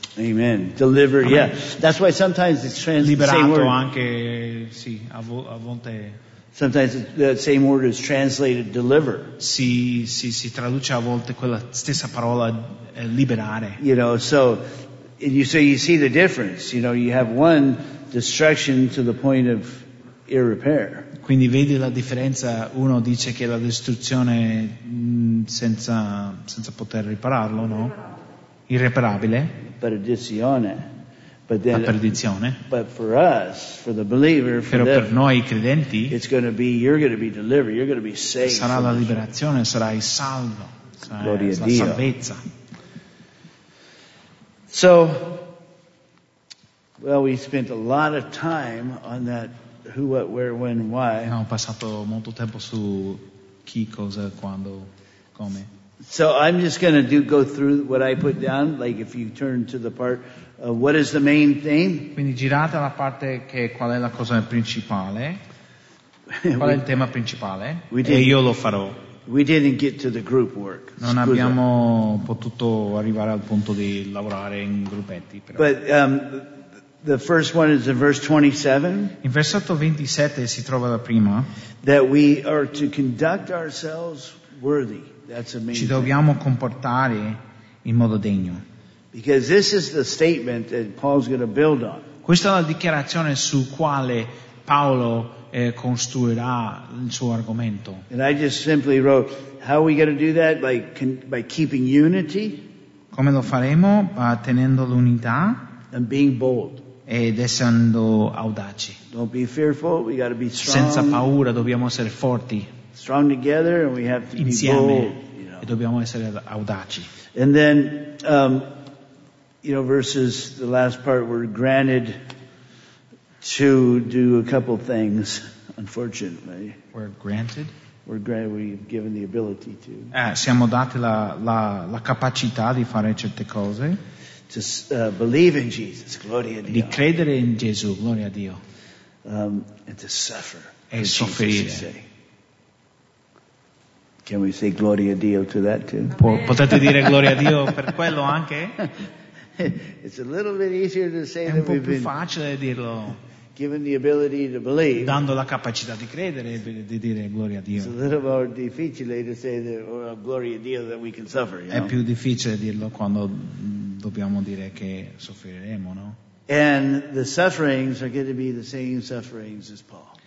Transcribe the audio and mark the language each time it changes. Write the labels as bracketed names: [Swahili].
[English] Amen. Deliver. Amen. Yeah. That's why sometimes it's translated. [Italian] Liberato anche, sì, a volte [English] Sometimes that same word is translated deliver. [Italian] Si traduce a volte quella stessa parola liberare. [English] You know, so you see the difference. You know, you have one destruction to the point of irrepair. [Italian] Quindi vedi la differenza. Uno dice che la distruzione senza poter ripararlo, no? Irreparabile. Perdizione. [English] But then, [Italian] la perdizione. [English] But for us, for the believer, [Italian] però [English] for [Italian] per noi credenti, [English] it's going to be you're going to be delivered, you're going to be saved. [Italian] Sarà la liberazione, sarai salvo. Gloria a Dio. La salvezza. [English] So, well, we spent a lot of time on that. Who, what, where, when, why? [Italian] Ho passato molto tempo su chi, cosa, quando, come. [English] So I'm just going to go through what I put down. Like if you turn to the part, what is the main thing? [Italian] Quindi girate alla parte che qual è la cosa principale? Qual è il tema principale? E io lo farò. [English] We didn't get to the group work. [Italian] Non abbiamo potuto arrivare al punto di lavorare in gruppetti. Però. [English] But the first one is in verse 27. [Italian] In versetto 27 si trova la prima. [English] That we are to conduct ourselves worthy. That's amazing. [Italian] Ci dobbiamo comportare in modo degno. [English] Because this is the statement that Paul's going to build on. [Italian] Questa è la dichiarazione su quale Paolo costruirà il suo argomento. [English] And I just simply wrote, how are we going to do that? By keeping unity. [Italian] Come lo faremo? Tenendo l'unità. [English] And being bold. [Italian] Ed essendo audaci. [English] Don't be fearful, we got to be strong. [Italian] Senza paura, dobbiamo essere forti. [English] Strong together and we have to [Italian] insieme, [English] be bold, you know. [Italian] E dobbiamo essere audaci. [English] And then, you know, verses, the last part, we're granted to do a couple things, unfortunately. We're granted? We've given the ability to. [Italian] Siamo dati la capacità di fare certe cose. [English] To believe in Jesus, [Italian] gloria a Dio. Di credere in Gesù, gloria a Dio. [English] And to suffer. [Italian] E soffrire. [English] Can we say [Italian] gloria a Dio [English] to that too? [Italian] Potete dire gloria a Dio per quello anche? [English] It's a little bit easier to say than we've been. [Italian] È un po' più facile dirlo. [English] Given the ability to believe. [Italian] Dando la capacità di credere e di dire gloria a Dio. [English] It's a little more difficile to say that [Italian] gloria a Dio [English] that we can suffer. You [Italian] know? È più difficile dirlo quando dobbiamo dire che soffriremo, no? [English] And the sufferings are going to be the same sufferings as Paul.